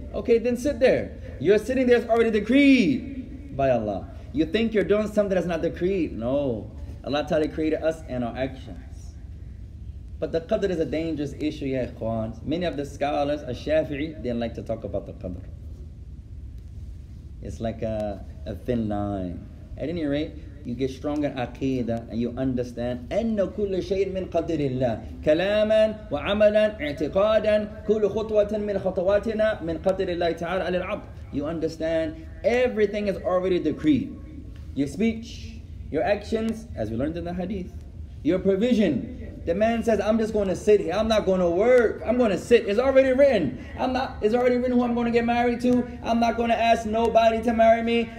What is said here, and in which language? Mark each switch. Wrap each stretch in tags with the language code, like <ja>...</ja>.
<en>Okay, then sit there. You're sitting there, it's already decreed by Allah. You think you're doing something that's not decreed. No. Allah Ta'ala created us and our actions. But the Qadr is a dangerous issue, ya ikhwan. Many of the scholars, a Shafi'i, didn't like to talk about the Qadr. It's like a thin line. At any rate, you get stronger aqeedah and you understand</en> <ar>أَنَّ كُلَّ شَيْءٍ مِنْ قَدْرِ اللَّهِ كَلَامًا وَعَمَلًا اعْتِقَادًا كُلُّ خُطْوَةٍ مِنْ خَطَوَاتِنَا مِنْ قَدْرِ اللَّهِ تَعَالَى عَلَى الْعَبْدِ.</ar> <en>You understand everything is already decreed. Your speech, your actions, as we learned in the hadith, your provision. The man says, I'm just going to sit here. I'm not going to work. I'm going to sit. It's already written. It's already written who I'm going to get married to. I'm not going to ask nobody to marry me.</en>